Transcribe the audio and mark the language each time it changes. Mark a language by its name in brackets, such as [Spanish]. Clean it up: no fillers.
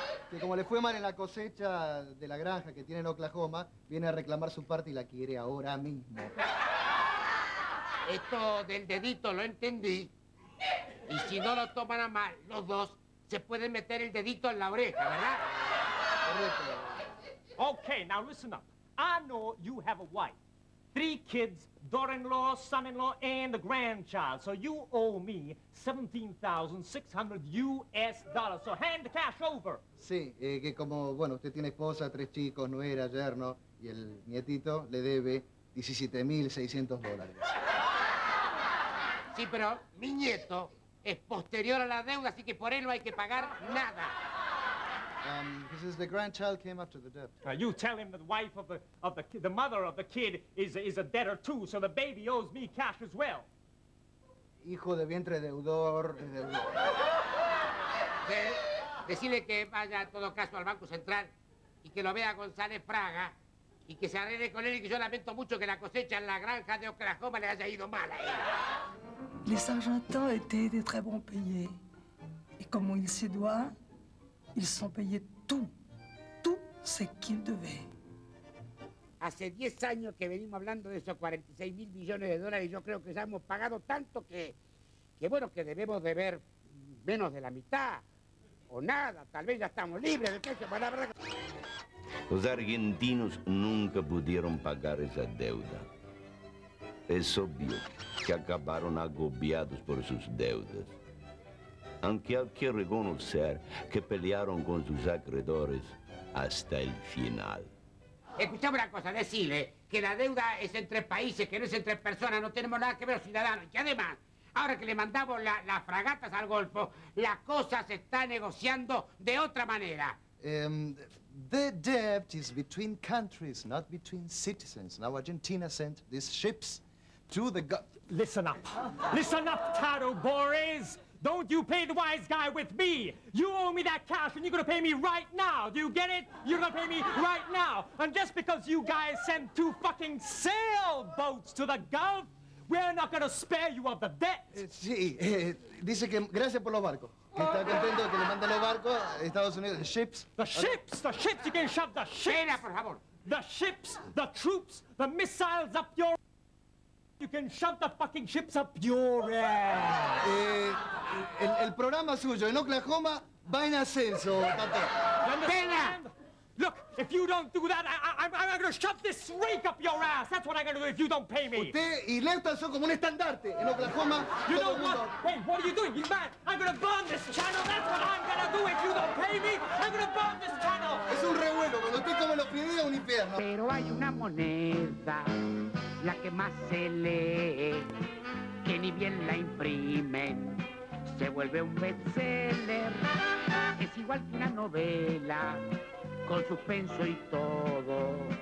[Spanish] Que como le fue mal en la cosecha de la granja que tiene en Oklahoma, viene a reclamar su parte y la quiere ahora mismo. Esto del dedito lo entendí. Y si no lo toman a mal los dos, se pueden meter el dedito en la oreja, ¿verdad? Correcto. [English] Okay, now listen up. I know you have a wife, 3 kids, daughter-in-law, son-in-law, and a grandchild. So you owe me 17,600 US dollars. So hand the cash over. [Spanish] Sí, que como, bueno, usted tiene esposa, 3 chicos, nuera, yerno, y el nietito le debe 17,600 dólares. Sí, pero mi nieto es posterior a la deuda, así que por él no hay que pagar nada. [English] He says the grandchild came after the debt. Now you tell him that the wife of the mother of the kid is a debtor too, so the baby owes me cash as well. [Spanish] Hijo de vientre deudor. Decirle que vaya en todo caso al Banco Central y que lo vea González Fraga y que se arregle con él y que yo lamento mucho que la cosecha en la granja de Oklahoma le haya ido mal a él. [French] Les Argentins étaient de très bons payés. Et comme il se doit, ils sont payés tout, tout ce qu'ils devaient. [Spanish] Hace 10 años que venimos hablando de esos 46 mil millones de dólares y yo creo que ya hemos pagado tanto que bueno, que debemos deber menos de la mitad o nada. Tal vez ya estamos libres de peso, para la verdad. Los argentinos nunca pudieron pagar esa deuda. Es obvio que acabaron agobiados por sus deudas. Aunque hay que reconocer que pelearon con sus acreedores hasta el final. Escuchame una cosa, decirle que la deuda es entre países, que no es entre personas, no tenemos nada que ver los ciudadanos. Y además, ahora que le mandamos las fragatas al Golfo, la cosa se está negociando de otra manera. [English] The debt is between countries, not between citizens. Now Argentina sent these ships to the... Listen up. Listen up, Tato Boris. Don't you pay the wise guy with me. You owe me that cash and you're gonna pay me right now. Do you get it? You're gonna pay me right now. And just because you guys sent 2 fucking sailboats to the Gulf, we're not gonna spare you of the debt. [Spanish] Sí, dice que gracias por los barcos. Que está contento que le manden los barcos a Estados Unidos. [English] The ships. The ships, the ships. You can shove the ships. [Spanish] Venga, por favor. [English] The ships, the troops, the missiles up your... You can shove the fucking ships up your ass. [Spanish] El programa suyo en Oklahoma va en ascenso, Tato. Venga. [English] Look, if you don't do that, I'm going to shove this rake up your ass. That's what I'm going to do if you don't pay me. [Spanish] Usted y Lefton son como un estandarte en Oklahoma. [English] You know what? Hey, what are you doing? You mad? I'm going to burn this channel. That's what I'm going to do if you don't pay me. I'm going to burn this channel. [Spanish] Es un revuelo. Cuando estoy como los pedidos, un infierno. Pero hay una moneda, la que más se lee, que ni bien la imprimen se vuelve un bestseller. Es igual que una novela, con suspenso y todo.